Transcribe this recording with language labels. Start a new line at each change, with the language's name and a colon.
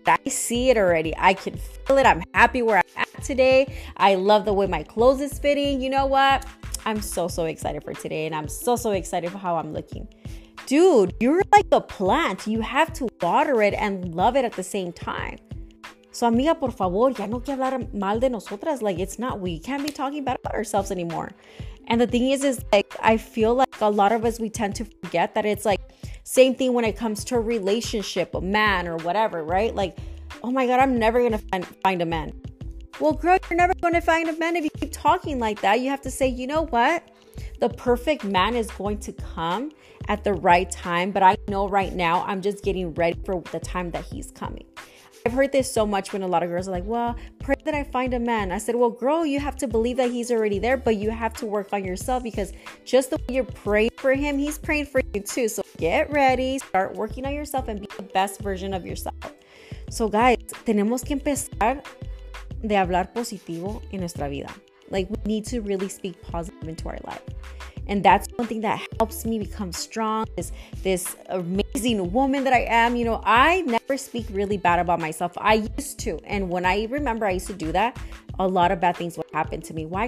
English: I see it already. I can feel it. I'm happy where I'm at today. I love the way my clothes is fitting. You know what? I'm so, so excited for today, and I'm so, so excited for how I'm looking. Dude, you're like a plant. You have to water it and love it at the same time.
Spanish: So, amiga, por favor, ya no que hablar mal de nosotras.
English: Like, it's not, we can't be talking bad about ourselves anymore. And the thing is like, I feel like a lot of us, we tend to forget that it's like, same thing when it comes to a relationship, a man or whatever, right? Like, oh my God, I'm never going to find a man. Well, girl, you're never going to find a man if you keep talking like that. You have to say, you know what? The perfect man is going to come at the right time. But I know right now, I'm just getting ready for the time that he's coming. I've heard this so much when a lot of girls are like, well, pray that I find a man. I said, well, girl, you have to believe that he's already there, but you have to work on yourself, because just the way you're praying for him, he's praying for you too. So get ready, start working on yourself and be the best version of yourself. So guys,
Spanish: tenemos que empezar de hablar positivo en nuestra vida.
English: Like, we need to really speak positive into our life. And that's one thing that helps me become strong, is this amazing woman that I am. You know, I never speak really bad about myself. I used to. And when I remember I used to do that, a lot of bad things would happen to me. Why?